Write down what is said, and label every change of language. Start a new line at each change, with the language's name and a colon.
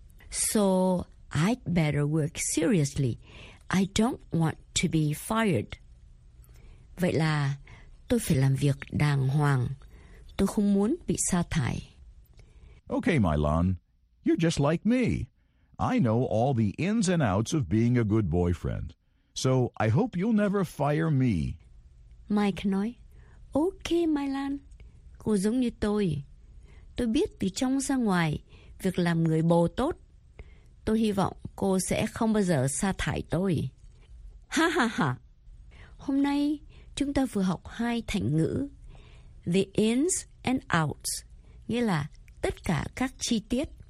English: So, I'd better work seriously. I don't want to be fired.
Vietnamese: Vậy là tôi phải làm việc đàng hoàng. Tôi không muốn bị sa thải.
English: Okay, Milan. You're just like me. I know all the ins and outs of being a good boyfriend. So, I hope you'll never fire me.
Vietnamese: Mike nói, okay, Milan, cô giống như tôi. Tôi biết từ trong ra ngoài, việc làm người bồ tốt. Tôi hy vọng cô sẽ không bao giờ sa thải tôi. Ha ha ha. Hôm nay, chúng ta vừa học hai thành ngữ.
English: The ins and outs,
Vietnamese: nghĩa là tất cả các chi tiết.